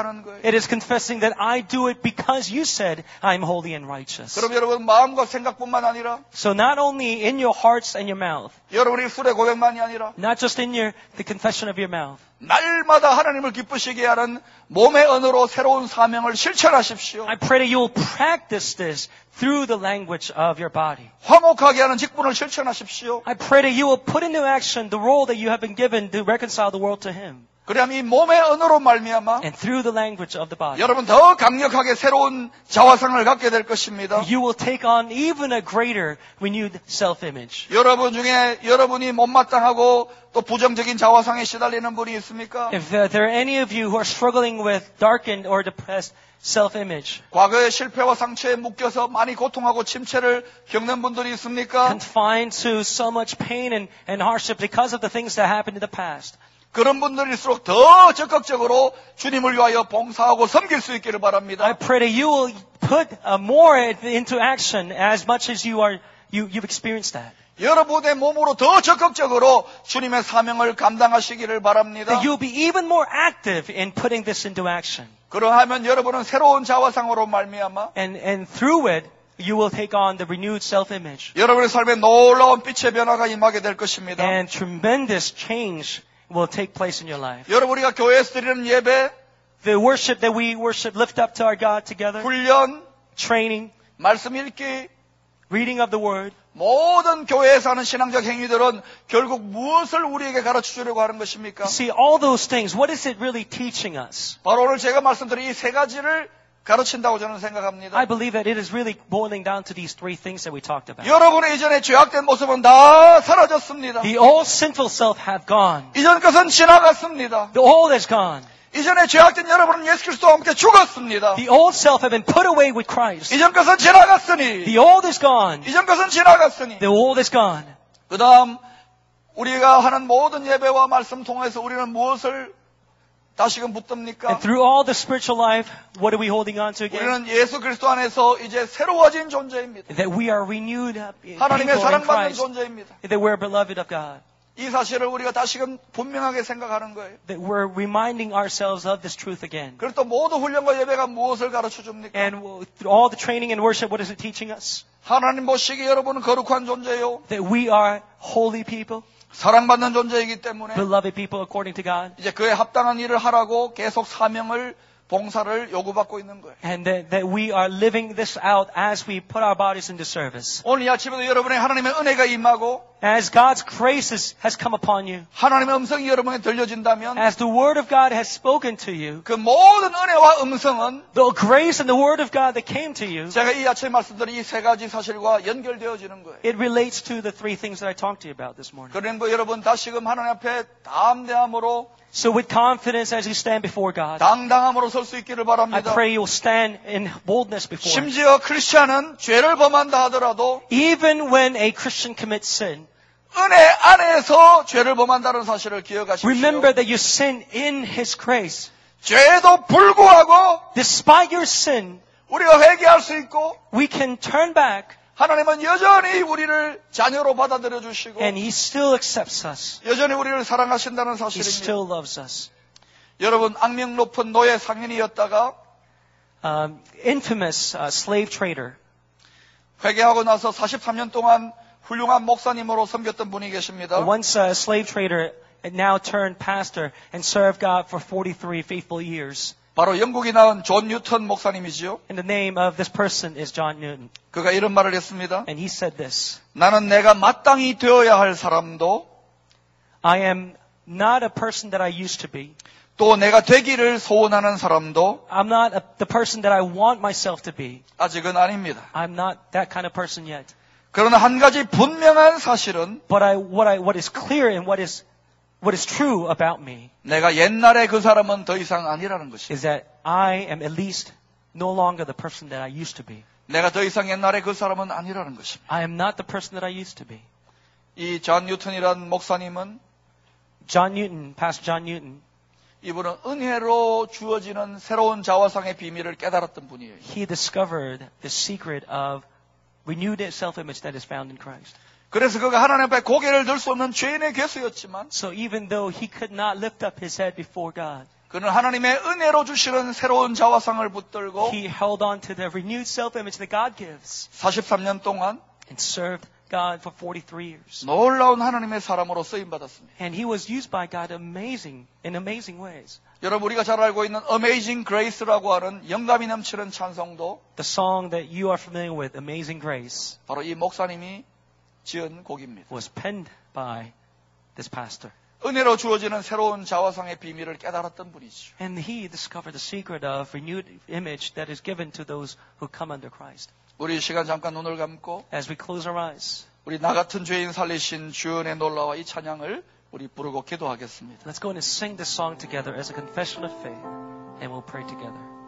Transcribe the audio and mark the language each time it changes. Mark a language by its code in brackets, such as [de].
[en] It is confessing that I do it because you said I am holy and righteous. [ko] 그럼 여러분 마음과 생각뿐만 아니라, [en] so not only in your hearts and your mouth, [ko] 여러분의 술의 고백만이 아니라, [en] not just in the confession of your mouth, [ko] 날마다 하나님을 기쁘시게 하는 몸의 언어로 새로운 사명을 실천하십시오. [en] I pray that you will practice this through the language of your body. [ko] 화목하게 하는 직분을 실천하십시오. [en] I pray that you will put into action the role that you have been given to reconcile the world to Him. [ko] 그러면 이 몸의 언어로 말미암아 [en] and through the language of the body, [ko] 여러분 더 강력하게 새로운 자화상을 갖게 될 것입니다. [en] You will take on even a greater renewed self-image. [ko] 여러분 중에 여러분이 못마땅하고 또 부정적인 자화상에 시달리는 분이 있습니까? [en] If there are any of you who are struggling with darkened or depressed self-image, [ko] 과거의 실패와 상처에 묶여서 많이 고통하고 침체를 겪는 분들이 있습니까? [en] Confined to so much pain and hardship because of the things that happened in the past. [ko] 그런 분들일수록 더 적극적으로 주님을 위하여 봉사하고 섬길 수 있기를 바랍니다. [en] I pray that you will put more into action as much as you've experienced that. [ko] 여러분의 몸으로 더 적극적으로 주님의 사명을 감당하시기를 바랍니다. [en] That you'll be even more active in putting this into action. [ko] 그러하면 여러분은 새로운 자화상으로 말미암아 [en] and through it you will take on the renewed self-image. [ko] 여러분의 삶에 놀라운 빛의 변화가 임하게 될 것입니다. [en] And tremendous change will take place in your life. [ko] 여러분 우리가 교회에서 드리는 예배, [en] the worship that we worship, lift up to our God together. [ko] 훈련, [en] training, [ko] 말씀 읽기, [en] reading of the word. [ko] 모든 교회에서 하는 신앙적 행위들은 결국 무엇을 우리에게 가르쳐 주려고 하는 것입니까? [en] You see all those things. What is it really teaching us? [ko] 바로 오늘 제가 말씀드린 이 세 가지를 가르친다고 저는 생각합니다. [en] I believe that it is really boiling down to these three things that we talked about. [ko] 여러분의 이전에 죄악된 모습은 다 사라졌습니다. [en] The old sinful self have gone. [ko] 이전 것은 지나갔습니다. [en] The old is gone. [ko] 이전에 죄악된 여러분은 예수 그리스도와 함께 죽었습니다. [en] The old self have been put away with Christ. [ko] 이전 것은 지나갔으니. [en] The old is gone. [ko] 이전 것은 지나갔으니. [en] The old is gone. [ko] 그다음 우리가 하는 모든 예배와 말씀 통해서 우리는 무엇을 다시금 붙듭니까? [en] And through all the spiritual life, what are we holding on to again? [ko] 우리는 예수 그리스도 안에서 이제 새로워진 존재입니다. [en] That we are renewed people in Christ. [ko] 하나님의 사랑받는 존재입니다. [en] That we are beloved of God. [ko] 이 사실을 우리가 다시금 분명하게 생각하는 거예요. [en] That we're reminding ourselves of this truth again. [ko] 그리고 또 모든 훈련과 예배가 무엇을 가르쳐 줍니까? [en] And through all the training and worship, what is it teaching us? [ko] 하나님 보시기에 여러분은 거룩한 존재요. [en] That we are holy people. [ko] 사랑받는 존재이기 때문에 [en] beloved people according to God. [ko] 이제 그에 합당한 일을 하라고 계속 사명을 봉사를 요구받고 있는 거예요. [en] And that we are living this out as we put our bodies into service. [ko] 오늘 이 아침에도 여러분의 하나님의 은혜가 임하고 [en] as God's grace has come upon you. [ko] 하나님의 음성이 여러분에게 들려진다면 [en] as the word of God has spoken to you. [ko] 그 모든 은혜와 음성은 [en] the grace and the word of God that came to you. [ko] 제가 이 아침에 말씀드린 이 세 가지 사실과 연결되어지는 거예요. [en] It relates to the three things that I talked to you about this morning. [ko] 그러므로 여러분 다시금 하나님 앞에 담대함으로 [en] So with confidence as you stand before God, [ko] 당당함으로 설 수 있기를 바랍니다. [en] I pray you'll stand in boldness before Him. [ko] 심지어 크리스천은 죄를 범한다 하더라도, [en] even when a Christian commits sin, [ko] 은혜 안에서 죄를 범한다는 사실을 기억하십시오. [en] Remember that you sin in His grace. [ko] 죄도 불구하고, [en] despite your sin, [ko] 우리가 회개할 수 있고, [en] we can turn back. [ko] 하나님은 여전히 우리를 자녀로 받아들여 주시고 [en] And he still accepts us. [ko] 여전히 우리를 사랑하신다는 사실입니다. [en] He still loves us. [ko] 여러분 악명 높은 노예 상인이었다가 [en] infamous slave trader. [ko] 회개하고 나서 43년 동안 훌륭한 목사님으로 섬겼던 분이 계십니다. [en] Once a slave trader and now turned pastor and served God for 43 faithful years. [ko] 바로 영국이 나온 존 뉴턴 목사님이지요. [en] And the name of this person is John Newton. [ko] 그가 이런 말을 했습니다. [en] And he said this. [ko] 나는 내가 마땅히 되어야 할 사람도 [en] I am not a person that I used to be. [ko] 또 내가 되기를 소원하는 사람도 [en] I'm not the person that I want myself to be. [ko] 아직은 아닙니다. [en] I'm not that kind of person yet. [ko] 그러나 한 가지 분명한 사실은 [en] But what is clear and what is What is true about me? [ko] 내가 옛날의 그 사람은 더 이상 아니라는 것이. [en] Is that I am at least no longer the person that I used to be. [ko] 내가 더 이상 옛날의 그 사람은 아니라는 것이. [en] I am not the person that I used to be. [ko] 이 존 뉴턴이란 목사님은 [en] John Newton, Pastor John Newton. [ko] 이분은 은혜로 주어지는 새로운 자화상의 비밀을 깨달았던 분이에요. [en] He discovered the secret of renewed self-image that is found in Christ. [ko] 그래서 그가 하나님 앞에 고개를 들 수 없는 죄인의 괴수였지만 [en] So even though he could not lift up his head before God. [ko] 그는 하나님의 은혜로 주시는 새로운 자화상을 붙들고 [en] He held on to the renewed self-image that God gives. [ko] 43년 동안 [en] and served God for 43 years. [ko] 놀라운 하나님의 사람으로 쓰임 받았습니다. [en] And he was used by God amazing in amazing ways. [ko] 여러분 우리가 잘 알고 있는 Amazing Grace라고 하는 영감이 넘치는 찬송도 [en] The song that you are familiar with Amazing Grace. [ko] 바로 이 목사님이 지은 곡입니다. [en] Was penned by this pastor. [ko] 은혜로 주어지는 새로운 자화상의 비밀을 깨달았던 분이죠. [en] And he discovered the secret of renewed image that is given to those who come under Christ. [ko] 우리 시간 잠깐 눈을 감고 [en] As we close our eyes, [ko] 우리 나 같은 죄인 살리신 주은의 놀라와 이 찬양을 우리 부르고 기도하겠습니다. [en] Let's go and sing this song together as a confession of faith and we'll pray together.